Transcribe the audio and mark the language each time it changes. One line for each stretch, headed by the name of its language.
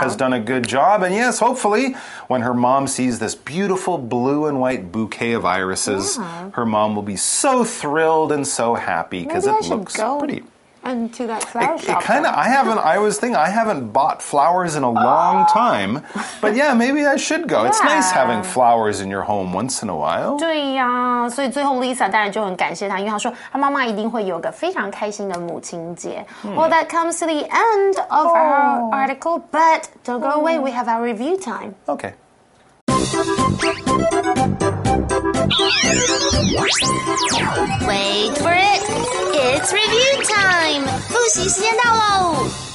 English: has done a good job. And yes, hopefully, when her mom sees this beautiful blue and white bouquet of irises,、 yeah. her mom will be so thrilled and so happy because it looks pretty. and to that flower shop. It kind of, I haven't, I was thinking, I haven't bought flowers in a long time. But yeah, maybe I should go. Yeah. It's nice having flowers in your home once in a while.
Chinese: 对呀，所以最后 Lisa 当然就很感谢她，因为她说她妈妈一定会有个非常开心的母亲节。
English: Well, that comes to the end of our article, but don't go away, we have our review time. Okay. Wait for it! It's review time!
Chinese: 复习时间到喽